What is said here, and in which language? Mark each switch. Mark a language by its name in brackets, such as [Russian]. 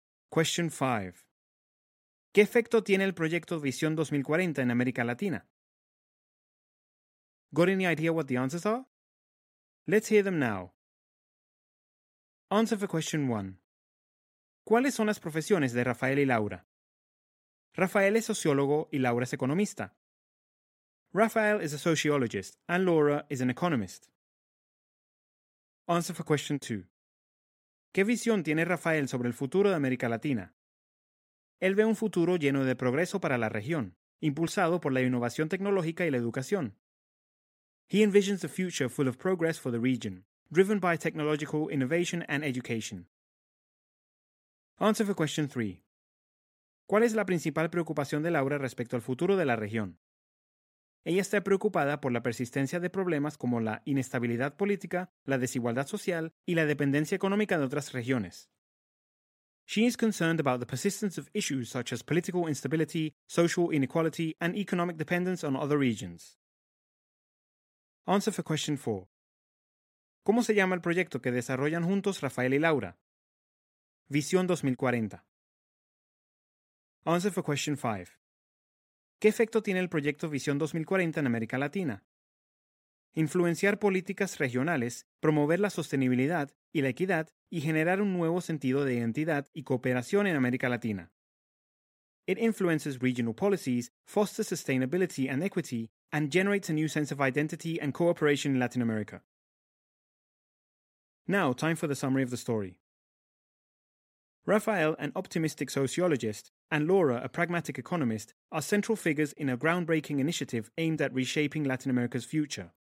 [English] Question 5. [Spanish] ¿Qué efecto tiene el proyecto Visión 2040 en América Latina? [English] Got any idea what the answers are? Let's hear them now. Answer for question 1. [Spanish] ¿Cuáles son las profesiones de Rafael y Laura? Rafael es sociólogo y Laura es economista. [English] Rafael is a sociologist and Laura is an economist. Answer for question 2. [Spanish] ¿Qué visión tiene Rafael sobre el futuro de América Latina? Él ve un futuro lleno de progreso para la región, impulsado por la innovación tecnológica y la educación. [English] He envisions a future full of progress for the region, driven by technological innovation and education. Answer for question 3. [Spanish] ¿Cuál es la principal preocupación de Laura respecto al futuro de la región? Ella está preocupada por la persistencia de problemas como la inestabilidad política, la desigualdad social y la dependencia económica de otras regiones. [English] She is concerned about the persistence of issues such as political instability, social inequality, and economic dependence on other regions. Answer for question 4. [Spanish] ¿Cómo se llama el proyecto que desarrollan juntos Rafael y Laura? Visión 2040. [English] Answer for question 5. [Spanish] ¿Qué efecto tiene el proyecto Visión 2040 en América Latina? Influenciar políticas regionales, promover la sostenibilidad y la equidad y generar un nuevo sentido de identidad y cooperación en América Latina. [English] It influences regional policies, fosters sustainability and equity, and generates a new sense of identity and cooperation in Latin America. Now, time for the summary of the story. Rafael, an optimistic sociologist, and Laura, a pragmatic economist, are central figures in a groundbreaking initiative aimed at reshaping Latin America's future.